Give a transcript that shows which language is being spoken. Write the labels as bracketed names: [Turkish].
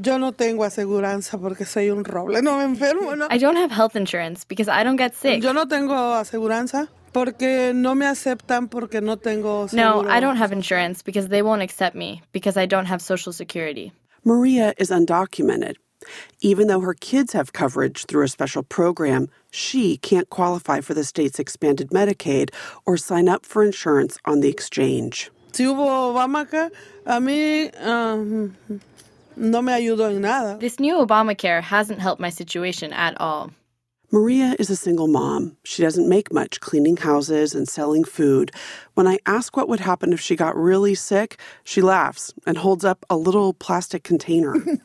[Spanish] Yo no tengo aseguranza porque soy un roble, no me enfermo, no. [English] I don't have health insurance because I don't get sick. [Spanish] Yo no tengo aseguranza porque no me aceptan porque no tengo seguro. [English] No, I don't have insurance because they won't accept me because I don't have Social Security. Maria is undocumented. Even though her kids have coverage through a special program, she can't qualify for the state's expanded Medicaid or sign up for insurance on the exchange. [Spanish] Si hubo Obamacare, a mí no me ayudó en nada. [English] This new Obamacare hasn't helped my situation at all. Maria is a single mom. She doesn't make much cleaning houses and selling food. When I ask what would happen if she got really sick, she laughs and holds up a little plastic container.